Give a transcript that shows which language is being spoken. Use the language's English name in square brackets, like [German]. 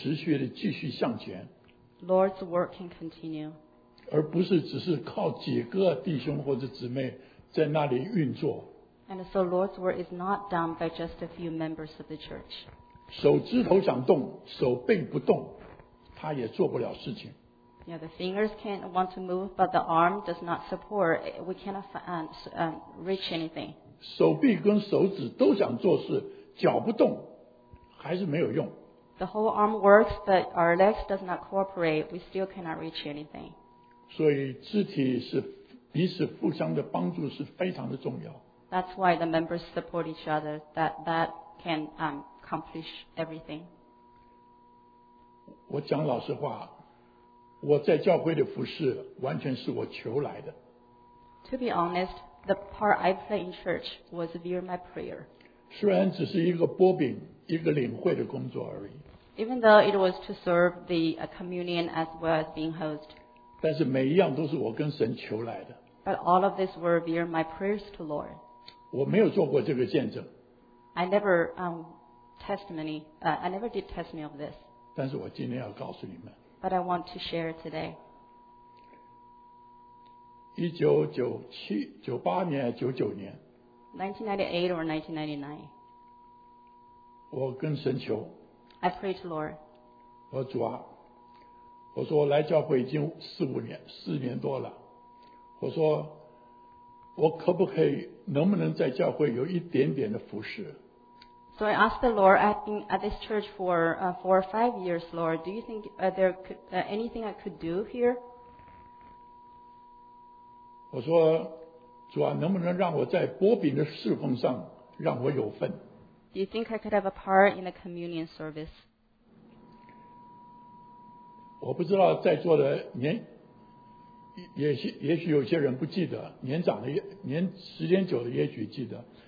[Chinese] 这样子主的工作才能够持续地继续向前。 [English] Lord's work can continue. [Chinese] 而不是只是靠几个弟兄或者姊妹在那里运作。 [English] And so Lord's work is not done by just a few members of the church. [Chinese] 手指头想动, 手背不动, 他也做不了事情。 [English] Yeah, the fingers can't want to move, but the arm does not support. We cannot reach anything. [Chinese] 手臂跟手指都想做事, 脚不动, 还是没有用。 [English] The whole arm works, but our legs does not cooperate. We still cannot reach anything. [Chinese] 所以肢体是彼此互相的帮助是非常的重要。 [English] That's why the members support each other. That can accomplish everything. [Chinese] 我讲老实话，我在教会的服事完全是我求来的。 [English] To be honest, the part I play in church was via my prayer. [Chinese] 虽然只是一个拨饼、一个领会的工作而已。 [English] Even though it was to serve the communion as well as being host. [Chinese] 但是每一样都是我跟神求来的。 [English] But all of this were via my prayers to Lord. [Chinese] 我没有做过这个见证。 [English] I never did testimony of this. [Chinese] 但是我今天要告诉你们。 [English] But I want to share today. [Chinese] 1998年、99年。 [English] 1998 or 1999. [Chinese] 我跟神求。 [English] I pray to Lord. [Chinese] 我说主啊，我说我来教会已经四年多了。我说我可不可以，能不能在教会有一点点的服事？ [English] So I asked the Lord, I've been at this church for four or five years, Lord. Do you think there could anything I could do here? [Chinese] 我说主啊，能不能让我在擘饼的侍奉上让我有份？ [English] Do you think I could have a part in the communion service? [Chinese] 我不知道在座的年，也许有些人不记得，年长的年时间久的也许记得。